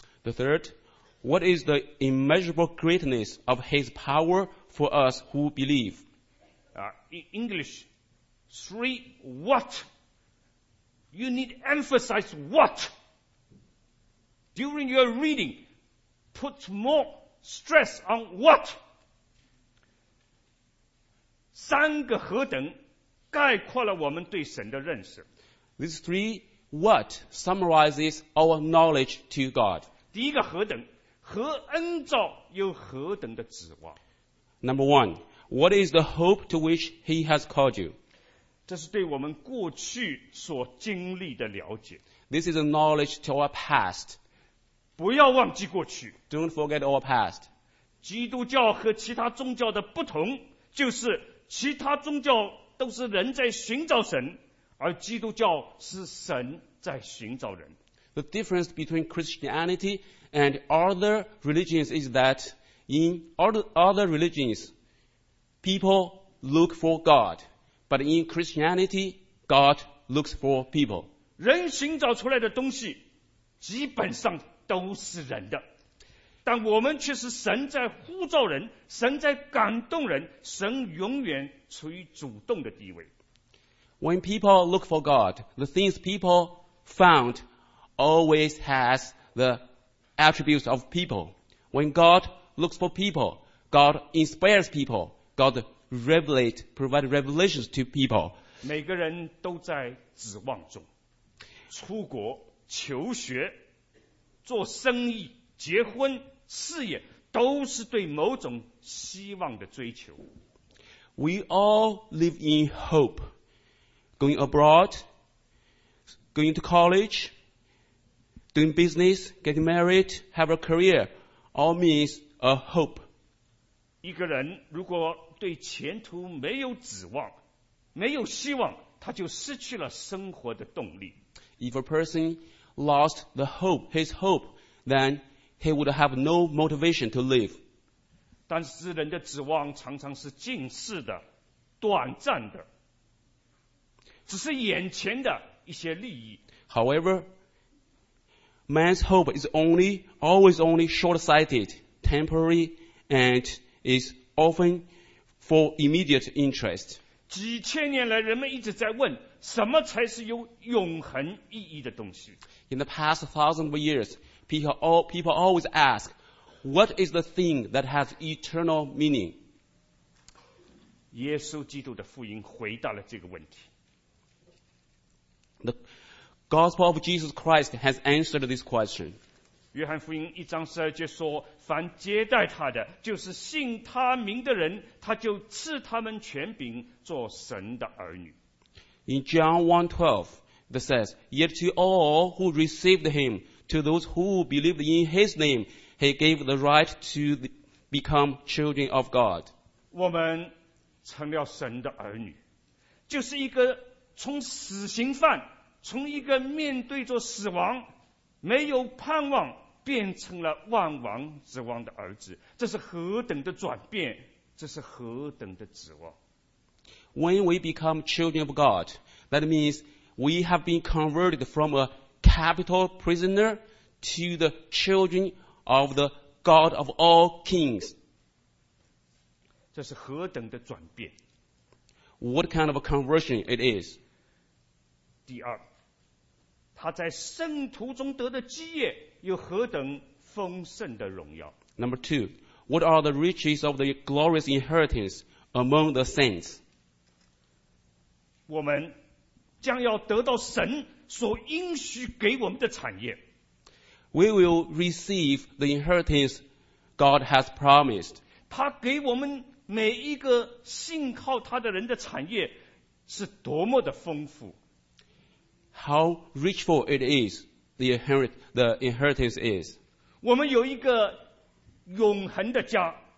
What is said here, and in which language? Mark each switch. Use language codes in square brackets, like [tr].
[en] The third, what is the immeasurable greatness of his power for us who believe? In English, three what? You need to emphasize what? During your reading, put more stress on what? [zh] 三个何等概括了我们对神的认识。 [en] These three what summarizes our knowledge to God. [zh] 第一个何等，何恩召有何等的指望。 [en] Number one, what is the hope to which he has called you? [zh] 这是对我们过去所经历的了解。 [en] This is a knowledge to our past. [zh] 不要忘记过去。 [en] Don't forget our past. [zh] 基督教和其他宗教的不同就是其他宗教都是人在寻找神，而基督教是神在寻找人。 [en] The difference between Christianity and other religions is that in other religions, people look for God, but in Christianity, God looks for people. [zh] 人寻找出来的东西基本上都是人的，但我们却是神在呼召人，神在感动人，神永远处于主动的地位。 [en] When people look for God, the things people found always has the attributes of people. When God looks for people, God inspires people. God provides revelations to people. [zh] 每个人都在指望中，出国、求学、做生意、结婚、事业，都是对某种希望的追求。 [en] We all live in hope. Going abroad, going to college, doing business, getting married, have a career, all means a hope. [zh] 一个人如果对前途没有指望，没有希望，他就失去了生活的动力。 [en] If a person lost the hope, his hope, then he would have no motivation to live. [zh] 但是人的指望常常是近似的、短暂的，只是眼前的一些利益。 [en] However, man's hope is only, always only short-sighted, temporary, and is often for immediate interest. [zh] 几千年来，人们一直在问，什么才是有永恒意义的东西？ [en] In the past thousand of years, people always ask,What is the thing that has eternal meaning? [zh] 耶稣基督的福音回答了这个问题。 [en] The Gospel of Jesus Christ has answered this question. [zh] 约翰福音一章十二节说，凡接待他的，就是信他名的人，他就赐他们权柄做神的儿女。 [en] In John 1:12, it says, Yet to all who received him, to those who believed in his name,He gave the right to become children of God. [zh] 我们成了神的儿女，就是一个从死刑犯，从一个面对着死亡，没有盼望，变成了万王之王的儿子。这是何等的转变，这是何等的指望。 [en] When we become children of God, that means we have been converted from a capital prisoner to the children of God. Of the God of all kings. [zh] 这是何等的转变。 [en] What kind of a conversion it is? [zh] 第二，他在圣徒中得的基业有何等丰盛的荣耀。 [en] Number two, what are the riches of the glorious inheritance among the saints? [zh] 我们将要得到神所应许给我们的产业。 [en] We will receive the inheritance God has promised. [zh] 他给我们每一个信靠他的人的产业是多么的丰富。 [en] How richful it is, the inheritance is. [zh] 我们有一个永恒的家。